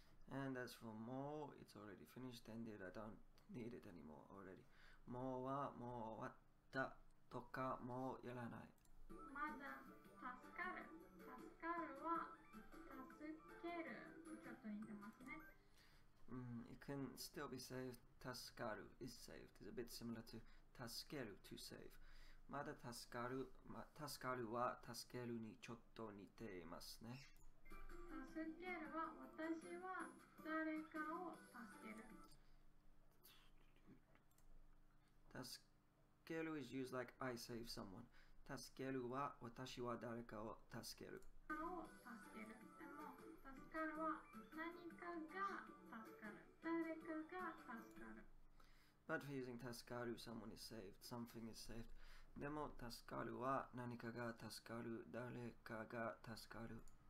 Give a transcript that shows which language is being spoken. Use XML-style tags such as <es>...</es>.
<en>And as for more, it's already finished, ended. I don't need it anymore already.</en> <ja>もうはもう終わったとかもうやらない。まだ助かる。助かるは助ける。ちょっと似てますね。</ja> <en>It can still be saved. 助かる is saved. It's a bit similar to 助ける to save.</en> <ja>まだ助かる。助かるは助けるにちょっと似ていますね。助けるは私は誰かを助ける。</ja> <en>助ける is used like I save someone.</en> <ja>助けるは私は誰かを助ける。でも助かるは何かが助かる。誰かが助かる。</ja> <en>But for using 助かる, someone is saved, something is saved.</en> <ja>でも助かるは何かが助かる、誰かが助かる。</ja>